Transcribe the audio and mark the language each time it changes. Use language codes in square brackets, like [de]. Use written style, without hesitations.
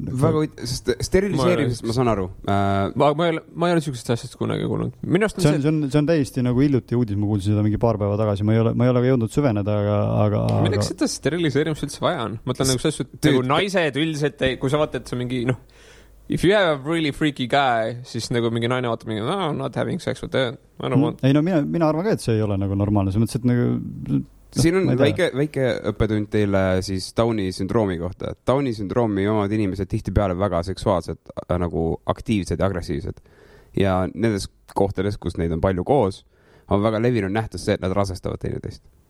[et] Väga võit, sest steriliseerimisest ma saan aru. Ma ei ole sellised asjast kunagi kuulnud. See on täiesti nagu illuti uudis, ma kuulsin seda mingi paar päeva tagasi. Ma ei ole ka jõudnud süveneda, aga... Milleks seda steriliseerimist üldse vaja on? Ma ütlen nagu sest, et naised üldiselt, kui sa vaatad, et sa mingi... [en] No, if you have a really freaky guy, [et] siis nagu mingi naine vaatab mingi, [en] no, not having sex with that. [et] Ei, no mina arvan ka, et see ei ole nagu normaalne. See mõttes, et nagu... Siin on väike õppetund teile siis Downi sündroomi kohta. Downi sündroomi omad inimesed tihti peale väga seksuaalsed, nagu aktiivsed ja agressiivsed. Ja nendes kohtades, kus neid on palju koos, on väga levinud nähtus see, et nad rasestavad teineteist.